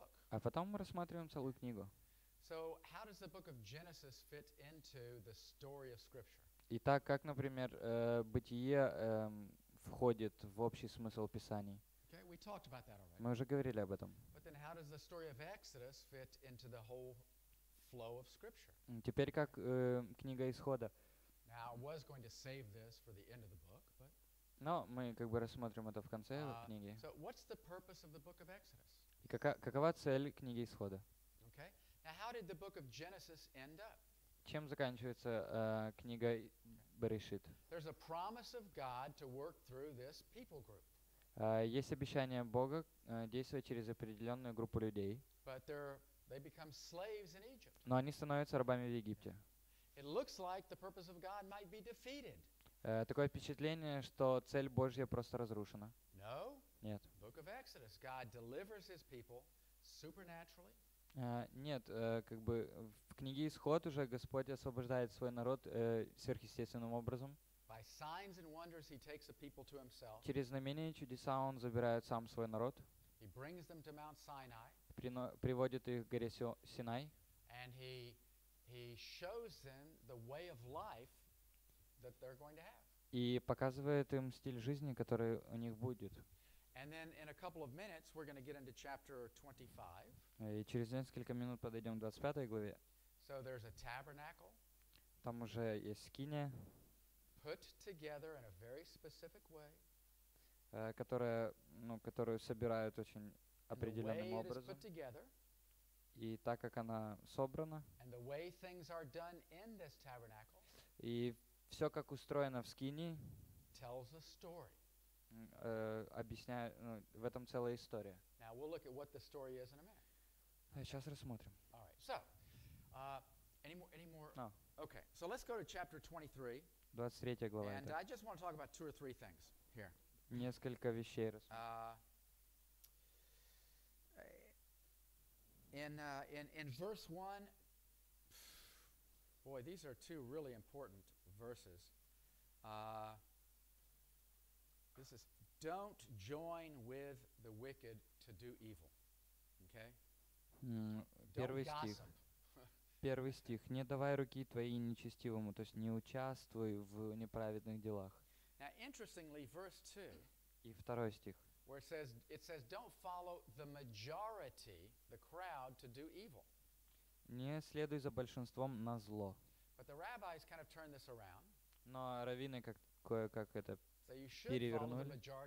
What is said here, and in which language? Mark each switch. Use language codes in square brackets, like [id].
[ru] А потом мы рассматриваем целую книгу. [en] So how does the book of Genesis fit into the story of Scripture? [ru] Итак, как, например, Бытие входит в общий смысл Писаний? [en] Okay, we talked about that already. [ru] Мы уже говорили об этом. [en] But then how does the story of Exodus fit into the whole flow of Scripture? [ru] Теперь как книга Исхода? [en] Now I was going to save this for the end of the book, but. [ru] Но мы как бы рассмотрим это в конце книги. [en] So what's the purpose of the book of Exodus? [ru] И какова цель книги Исхода? [en] Okay. Now, how did the book of Genesis end up? [ru] Чем заканчивается книга Берешит? [en] There's a promise of God to work through this people group. [ru] Есть обещание Бога действовать через определенную группу людей. [en] But they become slaves in Egypt. [ru] Но они становятся рабами в Египте. [en] It looks like the purpose of God might be defeated. [ru] Такое впечатление, что цель Божья просто разрушена. [en] No. [ru] Нет. [en] Book of Exodus. God delivers His people supernaturally. [ru] Нет, как бы в книге Исход уже Господь освобождает свой народ сверхъестественным образом. [en] By signs and wonders he takes the people to himself. [ru] Через знамения и чудеса он забирает сам свой народ. [en] He brings them to Mount Sinai. [ru] Приводит их к горе Синай. [en] And he shows them the way of life that they're going to have. [ru] И показывает им стиль жизни, который у них будет. [en] And then in a couple of minutes we're going to get into chapter 25. [ru] И через несколько минут подойдем к 25 главе. [en] So there's a tabernacle. [ru] Там уже есть скиния. [en] Put together in a very specific way. [ru] Которую собирают очень определенным образом. [en] Put together. [ru] И так как она собрана. [en] And the way things are done in this tabernacle. [ru] И все как устроено в скинии. [en] Tells a story. [ru] Объясняет, ну, в этом целая история. [en] Now we'll look at what the story is in a minute. [ru] Сейчас рассмотрим. [en] All right. So, any more? No. Okay. So let's go to chapter 23. [ru] 23 глава. [en] And I just want to talk about two or three things here. [ru] Несколько вещей. [en] In verse 1, boy, these are two really important verses. This is, don't join with the wicked to do evil. Okay? [ru] Первый стих. первый стих. Не давай руки твоей нечестивому, то есть не участвуй в неправедных делах. [en] Now, interestingly, verse two, [ru] и второй стих. [en] Where it says, don't follow the majority, the crowd, to do evil. [ru] Не следуй за большинством на зло. [en] But the rabbis kind of turned this around. [ru] Но раввины кое-как это перевернули.